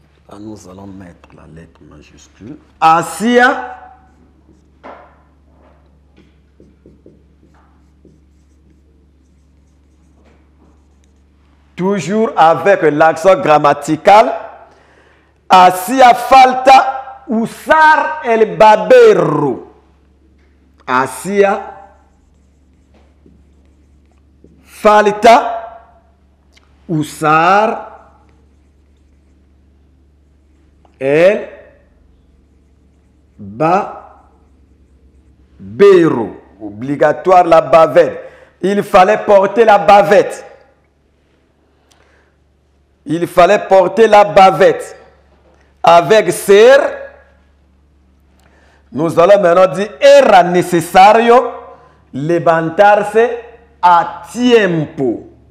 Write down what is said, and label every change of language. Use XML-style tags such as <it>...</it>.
<fr>Ah, nous allons mettre la lettre majuscule. Hacía. Toujours avec l'accent grammatical.</fr> <es>Hacía falta usar el barbero. Hacía falta usar el barbero.</es> <fr>Obligatoire la bavette. Il fallait porter la bavette. Il fallait porter la bavette. Avec ser, nous allons maintenant dire</fr> <es>era necesario levantarse a tiempo.</es>